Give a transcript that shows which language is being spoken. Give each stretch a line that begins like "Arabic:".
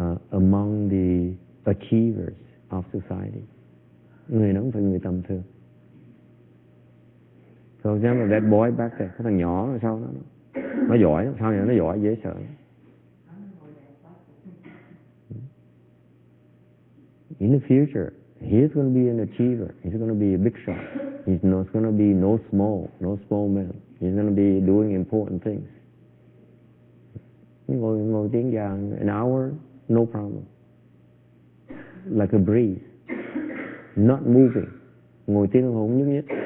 English: Among the achievers of society.
Vietnamese: Người đó không phải người tầm thường.
English: So example, that boy back there,
Vietnamese: cái thằng nhỏ là sao đó, nó giỏi, sao nhỉ, nó giỏi, dễ sợ.
English: In the future, he's going to be an achiever. He's going to be a big shot. He's not going to be no small man. He's going to be doing important things.
Vietnamese: Ngồi tiếng già,
English: an hour, no problem. Like a breeze. Not moving.
Vietnamese: Ngồi tiếng đồng hồ không nhúc nhích.